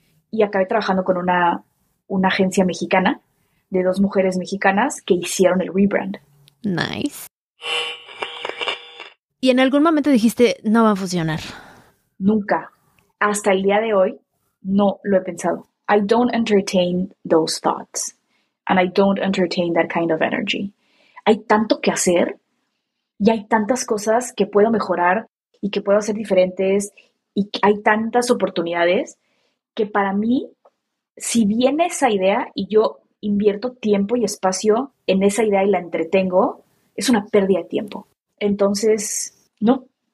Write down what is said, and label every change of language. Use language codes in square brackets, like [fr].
[es] Y acabé trabajando con una agencia mexicana de 2 mujeres mexicanas que hicieron el rebrand. [en] Nice. [es] ¿Y en algún momento dijiste, no va a funcionar? Nunca. Hasta el día de hoy, no lo he pensado. [en] I don't entertain those thoughts. And I don't entertain that kind of energy. [es] Hay tanto que hacer y hay tantas cosas que puedo mejorar y que puedo hacer diferentes y hay tantas oportunidades que para mí, si viene esa idea y yo invierto tiempo y espacio en esa idea y la entretengo, es una pérdida de tiempo. Entonces, no.